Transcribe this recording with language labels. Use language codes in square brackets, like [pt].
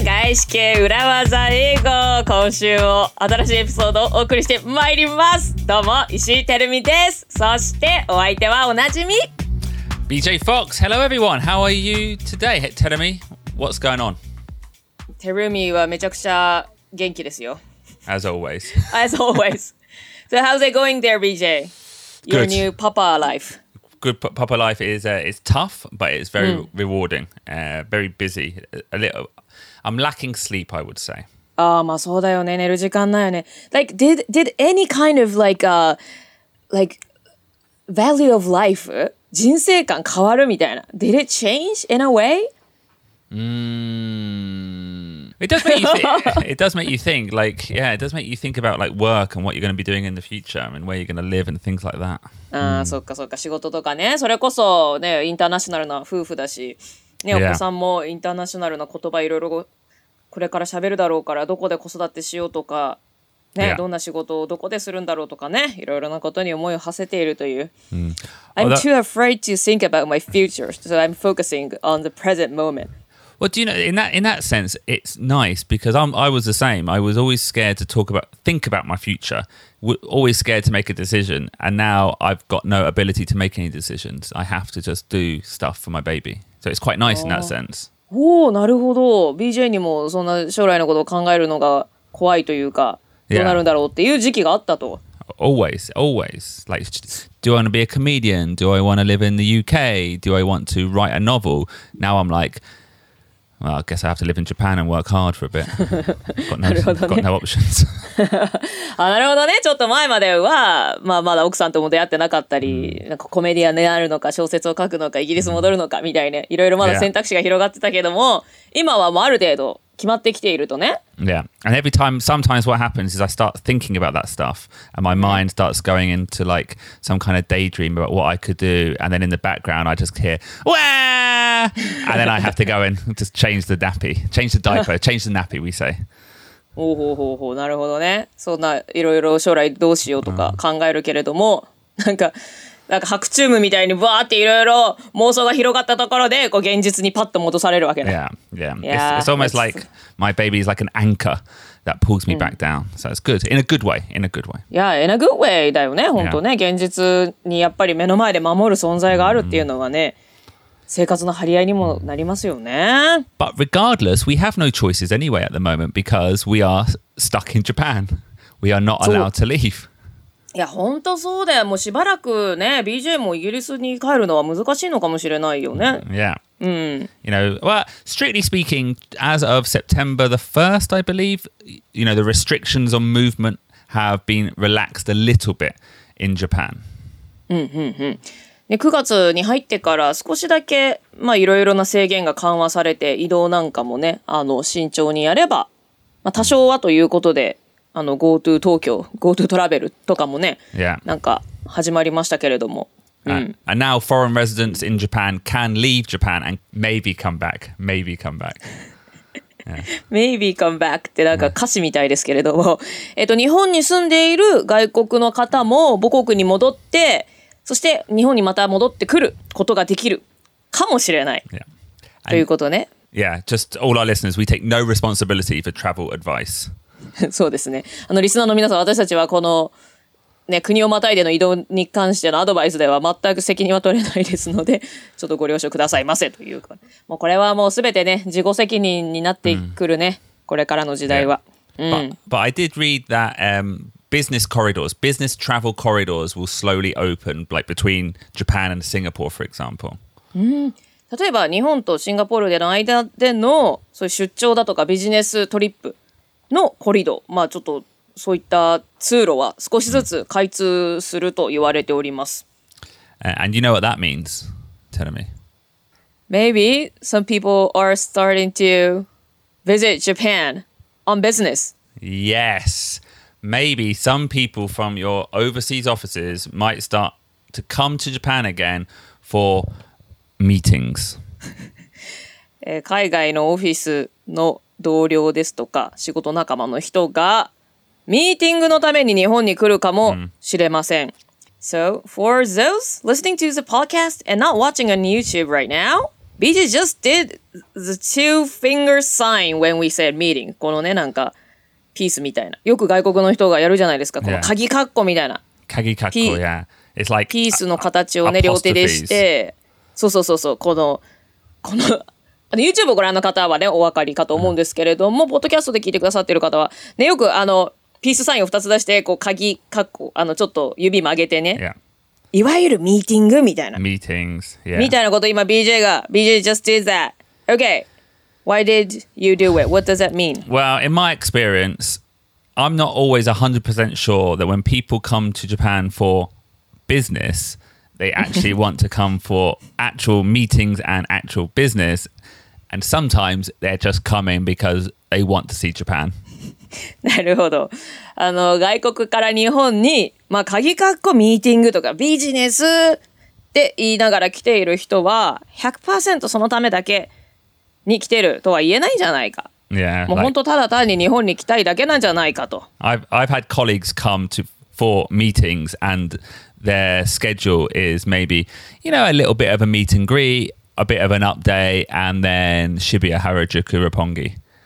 [ja] 外資系裏技英語、今週も新しいエピソードをお送りしてまいります。どうも石井てるみです。そしてお相手はおなじみ [en] BJ Fox。 Hello everyone, how are you today? てるみ、 what's going on? [ja] てるみはめちゃくちゃ元気ですよ。 [en] As always. As always. So how's it going there, BJ? Your、 Good. New papa life. Good papa life is tough, but it's very、rewarding, very busy. A little, I'm lacking sleep, I would say. [ja] Ah, まあそうだよね。寝る時間ないよね。 [en] Like, did any kind of like value of life, [ja] 人生観変わるみたいな? [en] Did it change in a way? It does make you think. Like, yeah, it does make you think about like work and what you're going to be doing in the future and where you're going to live and things like that. [ja] そっかそっか。仕事とかね、それこそね、インターナショナルな夫婦だし、ね、お子さんもインターナショナルな言葉いろいろこれから喋るだろうから、どこで子育てしようとか、ね、どんな仕事をどこでするんだろうとかね、いろいろなことに思いを馳せているという。 [en] I'm too afraid to think about my future, so I'm focusing on the present moment. Well, do you know, in that sense, it's nice because I was the same. I was always scared to think about my future, always scared to make a decision. And now I've got no ability to make any decisions. I have to just do stuff for my baby. So it's quite nice in that sense. [ja] Oh, なるほど。 BJ にもそんな将来のことを考えるのが怖いというか、どうなるんだろうっていう時期があったと。 [en] Always, always. Like, do I want to be a comedian? Do I want to live in the UK? Do I want to write a novel? Now I'm like... Well, I guess I have to live in Japan and work hard for a bit. Got no options. [ja] あ、なるほどね。ちょっと前までは、まあ、まだ奥さんとも出会ってなかったり、なんかコメディアンになるのか、小説を書くのか、イギリス戻るのかみたいね。いろいろまだ選択肢が広がってたけども、今はもうある程度決まってきているとね。 [en] Yeah. And every time, sometimes what happens is I start thinking about that stuff, and my mind starts going into like some kind of daydream about what I could do, and then in the background I just hear, wah! And then I have to go and just change the nappy, change the diaper, change the nappy, we say. [ja] ほうほうほうほう、なるほどね。そんないろいろ将来どうしようとか考えるけれども、なんか白チュームみたいにブワーっていろいろ妄想が広がったところで、こう現実にパッと戻されるわけね。 [en] It's almost like my baby is like an anchor that pulls me back down. So it's good, in a good way, in a good way. Yeah, in a good way [ja] だよね、本当ね。現実にやっぱり目の前で守る存在があるっていうのはね、生活の張り合いにもなりますよね。 [en] But regardless, we have no choices anyway at the moment because we are stuck in Japan. We are not allowed to leave. [ja] いや本当そうだよ。もうしばらくね、BJ もイギリスに帰るのは難しいのかもしれないよね。 [en] Yeah. [ja] うん。 [en] You know, well, strictly speaking, as of September the 1st, I believe, you know, the restrictions on movement have been relaxed a little bit in Japan. [ja] うんうんうん。ね、9月に入ってから少しだけ、まあいろいろな制限が緩和されて、移動なんかもね、慎重にやれば、まあ多少はということで、GoTo Tokyo, GoTo Travel とかもね、なんか始まりましたけれども。 [en] And now foreign residents in Japan can leave Japan and maybe come back. Maybe come back.、 Maybe come back [ja] ってなんか歌詞みたいですけれども。日本に住んでいる外国の方も母国に戻って、そして日本にまた戻ってくることができるかもしれない。 [en] Yeah. [ja] And, ということね。 [en] Yeah, just all our listeners, we take no responsibility for travel advice. [ja] そうですね。リスナーの皆さん、私たちはこの、ね、国をまたいでの移動に関してのアドバイスでは全く責任は取れないですので、ちょっとご了承くださいませというか、もうこれはもうすべてね、自己責任になってくるね、これからの時代は。 [en] But I did read that、business corridors, business travel corridors will slowly open, like between Japan and Singapore, for example. [ja] 例えば、日本とシンガポールでの間でのそういう出張だとかビジネストリップ。のコリド、まあちょっとそういった通路は少しずつ開通すると言われております。 [en] And you know what that means? Tell me. Maybe some people are starting to visit Japan on business. Yes. Maybe some people from your overseas offices might start to come to Japan again for meetings. [ja] 海外のオフィスの同僚ですとか仕事仲間の人がミーティングのために日本に来るかもしれません。 [en] So, for those listening to the podcast and not watching on YouTube right now, BJ just did the two finger sign when we said meeting. [ja] このね、なんかピースみたいな。よく外国の人がやるじゃないですか。この鍵括弧みたいな。 [en] 鍵括弧、yeah. It's like [ja] ピースの形をね、両手でして。そうそうそうそう。この、あの YouTube をご覧の方はね、お分かりかと思うんですけれども、ポッドキャストで聞いてくださっている方は、ね、よくあの、ピースサインを2つ出して、こう、鍵括弧、あの、ちょっと指曲げてね。 [en] Yeah. [ja] いわゆるミーティングみたいな。 [en] Meetings, yeah. [ja] みたいなこと今 BJ が、 [en] BJ just did that. Okay, why did you do it? What does that mean? Well, in my experience, I'm not always 100% sure that when people come to Japan for business, they actually want to come for actual meetings and actual business. And sometimes they're just coming because they want to see Japan. [ja] なるほど。あの、外国から日本に、まあ、鍵括弧ミーティングとかビジネスって言いながら来ている人は 100% そのためだけに来てるとは言えないじゃないか。 [en] Yeah, [ja] もう本当ただ単に日本に来たいだけなんじゃないかと。 [en] I've had colleagues come to for meetings and their schedule is maybe, you know, a little bit of a meet and greet, a bit of an update, and then Shibuya Harajuku Roppongi.